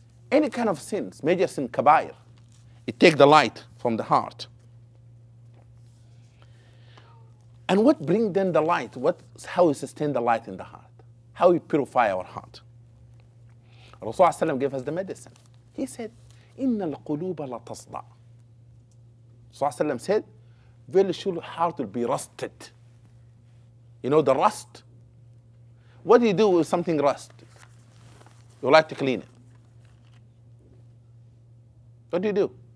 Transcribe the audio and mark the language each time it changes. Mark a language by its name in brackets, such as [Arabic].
[English] Any kind of sins, major sin, kabair, it takes the light from the heart. And what brings then the light? How we sustain the light in the heart? How we purify our heart? Rasulullah gave us the medicine. He said, [Arabic] إِنَّ الْقُلُوبَ لَتَصْدَعْ. [English] Rasulullah said, very sure the heart will be rusted. You know the rust? What do you do with something rust? You like to clean it. What do you do?